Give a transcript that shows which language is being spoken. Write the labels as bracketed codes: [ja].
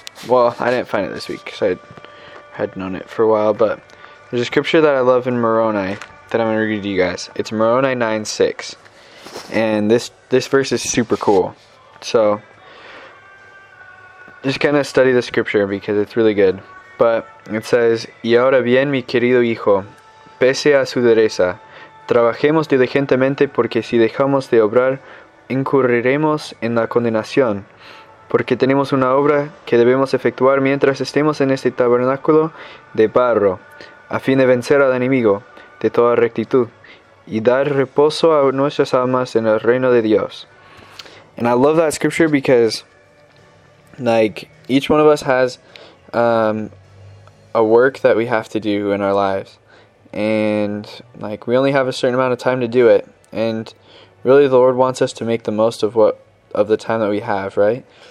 [en] Well, I didn't find it this week because I had known it for a while. But there's a scripture that I love in Moroni that I'm going to read to you guys. It's Moroni 9:6. And this verse is super cool. So just kind of study the scripture because it's really good. But it says, [es] Y ahora bien, mi querido hijo, pese a su dureza, trabajemos diligentemente porque si dejamos de obrar, incurriremos en la condenación. Porque tenemos una obra que debemos efectuar mientras estemos en este tabernáculo de barro, a fin de vencer al enemigo de toda rectitud y dar reposo a nuestras almas en el reino de Dios. [en] And I love that scripture because, like, each one of us has a work that we have to do in our lives. And, like, we only have a certain amount of time to do it. And really, the Lord wants us to make the most of what of the time that we have, right?